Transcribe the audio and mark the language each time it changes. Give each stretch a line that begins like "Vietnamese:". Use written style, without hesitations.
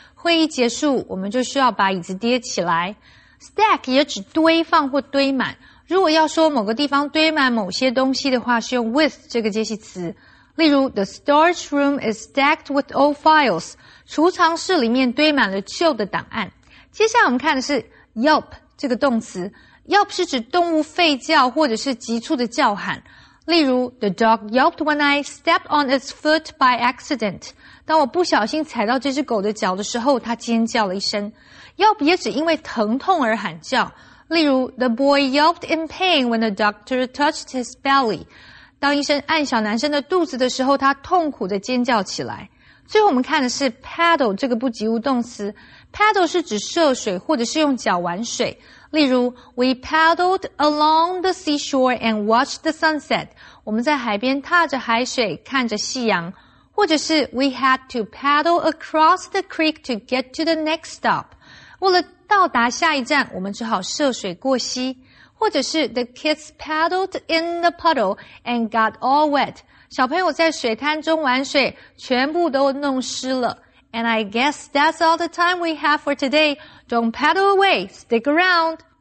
Chinese: 会议结束，我们就需要把椅子叠起来。Stack 也指堆放或堆满。如果要说某个地方堆满某些东西的话，是用 with 这个介系词。例如
English: The storage room is stacked with old files.
Chinese: 储藏室里面堆满了旧的档案。接下来我们看的是 yelp 这个动词。 yelp 是指动物吠叫或者是急促的叫喊。例如
English: The dog yelped when I stepped on its foot by accident.
Chinese: 当我不小心踩到这只狗的脚的时候，它尖叫了一声。 yelp 也指因为疼痛而喊叫。例如
English: The boy yelped in pain when the doctor touched his belly.
Chinese: 当医生按小男生的肚子的时候，他痛苦地尖叫起来。最后我们看的是 paddle 这个不及物动词。paddle 是指涉水或者是用脚玩水。例如
English: ,we paddled along the seashore and watched the sunset.
Chinese: 我们在海边踏着海水看着夕阳。或者是
English: ,we had to paddle across the creek to get to the next stop.
Chinese: 为了到达下一站，我们只好涉水过溪。或者是
English: the kids paddled in the puddle and got all wet.
Chinese: 小朋友在水滩中玩水，全部都弄湿了。
English: And I guess that's all the time we have for today. Don't paddle away, stick around.